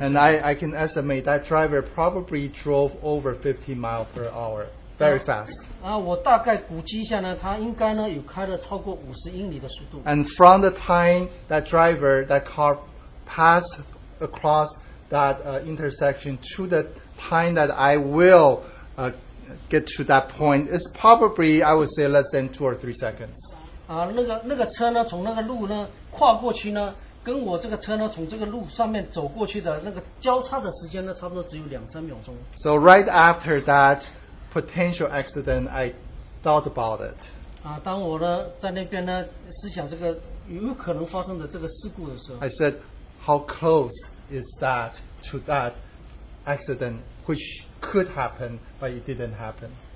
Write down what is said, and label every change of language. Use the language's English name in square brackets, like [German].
[English] And I can estimate that driver probably drove over 50 miles per hour. Very fast. [Chinese] 我大概估计一下呢，他应该呢有开了超过50英里的速度。 [English] And from the time that driver, that car passed across that intersection to the time that I will get to that point, it's probably, I would say, less than 2 or 3 seconds. [Chinese] 那个车呢，从那个路呢跨过去呢。跟我这个车呢，从这个路上面走过去的那个交叉的时间呢，差不多只有2-3秒钟。 [English] So right after that potential accident, I thought about it. [Chinese] 当我呢在那边呢思想这个有可能发生的这个事故的时候， [English] I said, how close is that to that accident which could happen but it didn't happen?